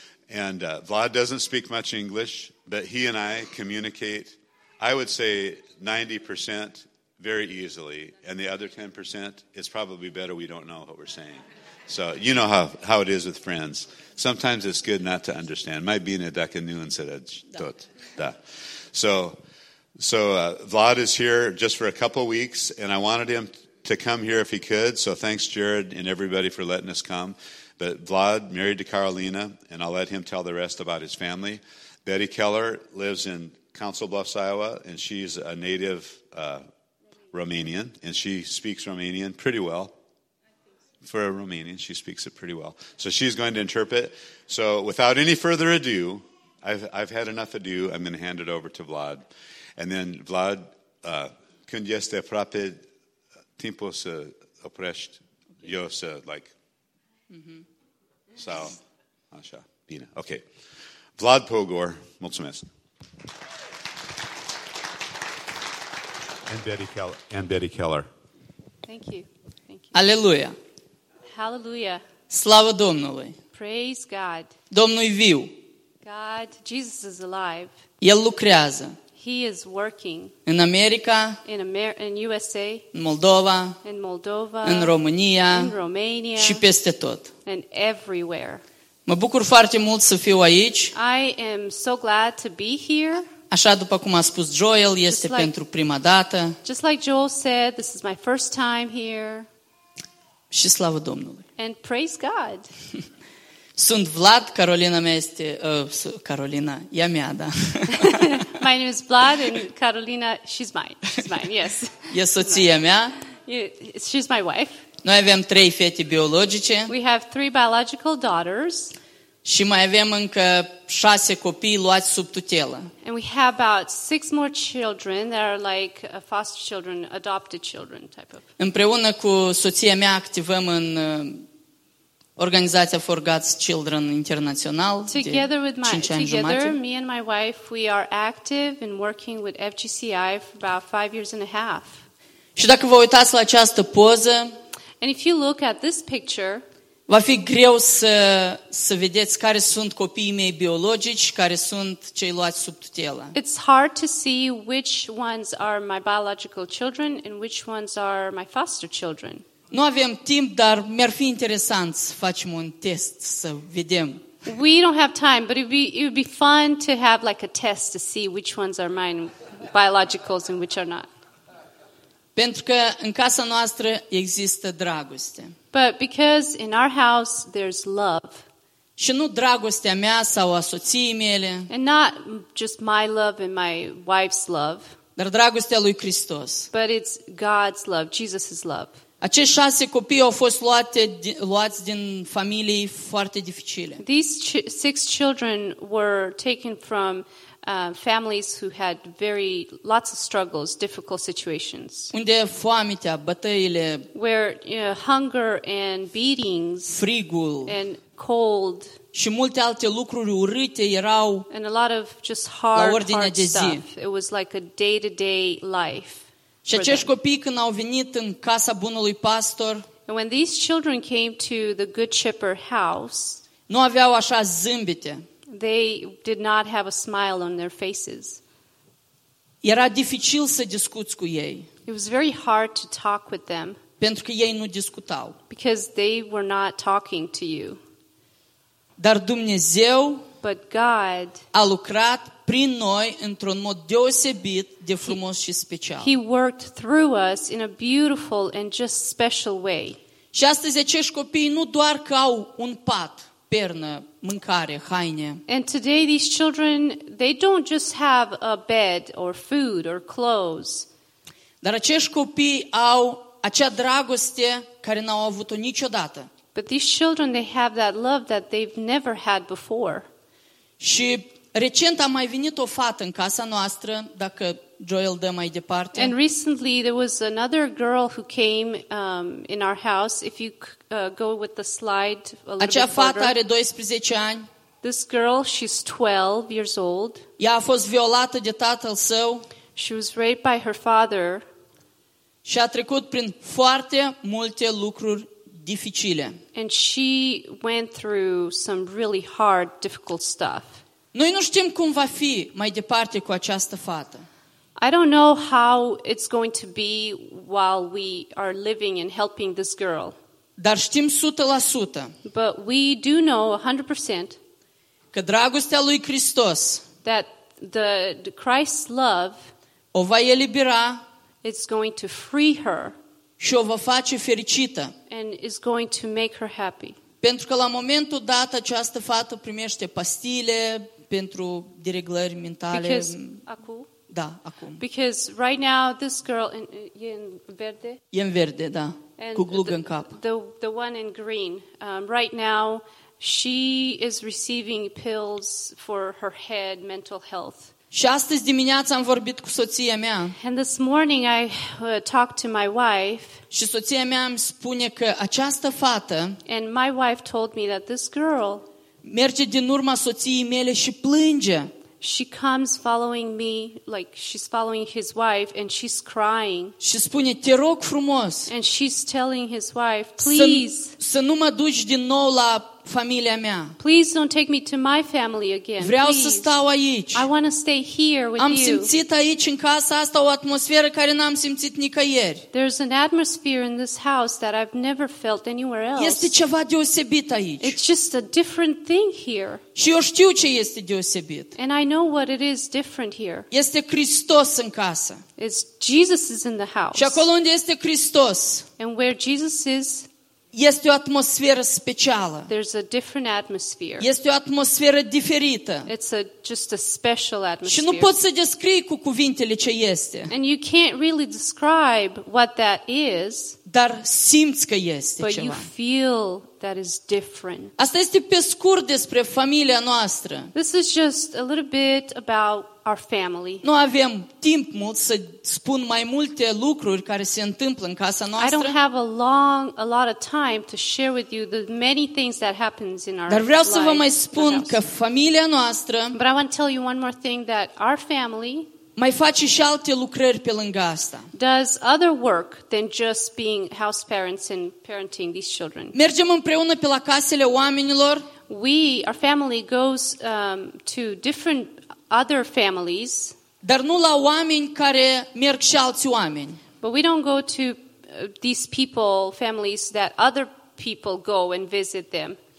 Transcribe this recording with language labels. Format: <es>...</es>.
<en>And Vlad doesn't speak much English, but he and I communicate, I would say, 90% very easily. And the other 10%, it's probably better we don't know what we're saying. So you know how it is with friends. Sometimes it's good not to understand. Might be in a</en> <ro>dacă nu înțelegi tot. Da.</ro> <en>So Vlad is here just for a couple weeks, and I wanted him to come here if he could. So thanks, Jared, and everybody for letting us come. But Vlad, married to Carolina, and I'll let him tell the rest about his family. Betty Keller lives in Council Bluffs, Iowa, and she's a native Romanian, and she speaks Romanian pretty well. For a Romanian, she speaks it pretty well. So she's going to interpret. So without any further ado, I've had enough ado. I'm going to hand it over to Vlad. And then,</en> <ro>Vlad, când este aproape timpul să oprești, eu să, like, sau, așa, bine. Okay. Vlad Pogor, mulțumesc.</ro> <en>And Betty Keller. Thank you.</en> <ro>Aleluia.</ro> <en>Hallelujah.</en> <ro>Slava Domnului.</ro> <en>Praise God.</en> <ro>Domnul viu.</ro> <en>God, Jesus is alive.</en> <ro>El lucrează.</ro> <en>He is working in America, in USA, in Moldova, in Romania,</en> <ro>și peste tot.</ro> <en>And everywhere.</en> <ro>Mă bucur foarte mult să fiu aici.</ro> <en>I am so glad to be here.</en> <ro>Așa după cum a spus Joel, este like, pentru prima dată.</ro> <en>Just like Joel said, this is my first time here.</en> <ro>Și slavă Domnului.</ro> <en>And praise God.</en> <ro>Sunt Vlad, Carolina mea este, Carolina, ea mea, da.</ro> <en>My name is Vlad and Carolina, she's mine, yes.</en> <ro>E soția mea.</ro> <en>She's my wife.</en> <ro>Noi avem trei fete biologice.</ro> <en>We have three biological daughters.</en> <ro>Și mai avem încă șase copii luați sub tutelă.</ro> <en>And we have about six more children that are like foster children, adopted children type of.</en> <ro>Împreună cu soția mea activăm în organizația For God's Children International.</ro> <en>Together</en> <ro>de</ro> <en>with my together me and my wife, we are active and working with FGCI for about 5 years and a half.</en> <ro>Și dacă vă uitați la această poză,</ro> <en>and if you look at this picture,</en> <ro>va fi greu să vedeți care sunt copiii mei biologici, care sunt cei luați sub tutelă.</ro> <en>It's hard to see which ones are my biological children and which ones are my foster children.</en> <ro>Nu avem timp, dar mi-ar fi interesant să facem un test să vedem.</ro> <en>We don't have time, but it would be fun to have like a test to see which ones are mine biologicals and which are not.</en> <ro>Pentru că în casa noastră există dragoste.</ro> <en>But because in our house there's love.</en> <ro>Și nu dragostea mea sau a soției mele.</ro> <en>And not just my love and my wife's love.</en> <ro>Dar dragostea lui Hristos.</ro> <en>But it's God's love, Jesus's love.</en> <ro>Acești șase copii au fost luați din familii foarte dificile.</ro> <en>These six children were taken from families who had very lots of struggles, difficult situations.</en> <ro>Unde foamea, bătăile,</ro> <en>where hunger and beatings,</en> <ro>frigul</ro> <en>and cold,</en> <ro>și multe alte lucruri urâte erau,</ro> <en>and a lot of just hard,</en> <ro>la ordinea</ro> <en>hard</en> <ro>de</ro> <en>stuff.</en> <ro>Zi.</ro> <en>It was like a day-to-day life.</en> <ro>Și acești copii când au venit în casa bunului pastor,</ro> <en>and when these children came to the good shepherd house,</en> <ro>nu aveau așa zâmbete.</ro> <en>They did not have a smile on their faces.</en> <ro>Era dificil să discuți cu ei.</ro> <en>It was very hard to talk with them.</en> <ro>Pentru că ei nu discutau.</ro> <en>Because they were not talking to you.</en> <ro>Dar Dumnezeu,</ro> <en>but God,</en> <ro>a lucrat prin noi într-un mod deosebit de frumos și special.</ro> <en>He worked through us in a beautiful and just special way.</en> <ro>Și astăzi acești copii nu doar că au un pat, pernă, mâncare, haine.</ro> <en>And today these children, they don't just have a bed or food or clothes.</en> <ro>Dar acești copii au acea dragoste care n-au avut-o niciodată.</ro> <en>But these children, they have that love that they've never had before.</en> <ro>Și recent a mai venit o fată în casa noastră, dacă Joel dă mai departe.</ro> <en>And recently there was another girl who came in our house. If you go with the slide a little bit further.</en> <ro>Are 12 ani.</ro> <en>This girl, she's 12 years old.</en> <ro>Ea a fost violată de tatăl său.</ro> <en>She was raped by her father.</en> <ro>Și a trecut prin foarte multe lucruri dificile.</ro> <en>And she went through some really hard, difficult stuff.</en> <ro>Noi nu știm cum va fi mai departe cu această fată.</ro> <en>I don't know how it's going to be while we are living and helping this girl.</en> <ro>Dar știm 100%.</ro> <en>But we do know 100%</en> <ro>că dragostea lui Hristos,</ro> <en>that the Christ's love,</en> <ro>o va elibera,</ro> <en>it's going to free her,</en> <ro>și o va face fericită,</ro> <en>and is going to make her happy.</en> <ro>Pentru că la momentul dat această fată primește pastile pentru dereglări mentale.</ro> <en>Because acum?</en> <ro>Da, acum.</ro> <en>Because right now this girl in verde.</en> <ro>E în verde, da.</ro> <en>And</en> <ro>cu glugă în cap.</ro> <en>The one in green. Right now she is receiving pills for her head, mental health.</en> <ro>Și astăzi dimineața am vorbit cu soția mea.</ro> <en>And this morning I talked to my wife.</en> <ro>Și soția mea îmi spune că această fată,</ro> <en>and my wife told me that this girl,</en> <ro>merge din urma soției mele și plânge.</ro> <en>She comes following me, like she's following his wife, and she's crying.</en> <ro>Și spune, te rog frumos.</ro> <en>And she's telling his wife, please,</en> <ro>să nu mă duci din nou la familia mea.</ro> <en>Please don't take me to my family again.</en> <ro>Vreau</ro> <en>please.</en> <ro>Să stau aici.</ro> <en>I want to stay here with</en> <ro>am</ro> <en>you.</en> <ro>Am simțit aici în casa asta o atmosferă care n-am simțit nicăieri.</ro> <en>There's an atmosphere in this house that I've never felt anywhere else.</en> <ro>Este ceva deosebit aici.</ro> <en>It's just a different thing here.</en> <ro>Și eu știu ce este deosebit.</ro> <en>And I know what it is different here.</en> <ro>Este Hristos în casă.</ro> <en>It's Jesus is in the house.</en> <ro>Și acolo unde este Hristos,</ro> <en>and where Jesus is,</en> <ro>Este o atmosferă specială.</ro> <en>There's a different atmosphere.</en> <ro>Este o atmosferă diferită.</ro> <en>It's a just a special atmosphere.</en> <ro>Și nu poți să descrii cu cuvintele ce este.</ro> <en>And you can't really describe what that is.</en> <ro>Dar simți că este</ro> <en>but</en> <ro>ceva.</ro> <en>But you feel that is different.</en> <ro>Asta este pe scurt despre familia noastră.</ro> <en>This is just a little bit about our family.</en> <ro>Nu avem timp mult să spun mai multe lucruri care se întâmplă în casa noastră.</ro> <en>I don't have a lot of time to share with you the many things that happens in our</en> <ro>Dar vreau să vă mai spun că familia noastră</ro> <en>But I want to tell you one more thing that our family</en> <ro>mai face și alte lucrări pe lângă asta.</ro> <en>Does other work than just being house parents and parenting these children.</en> <ro>Mergem împreună pe la casele oamenilor.</ro> <en>We our family goes to different other families.</en> <ro>Dar nu la oameni care merg și alți oameni.</ro> <en>But we don't go to these people families that other people go and visit them.</en>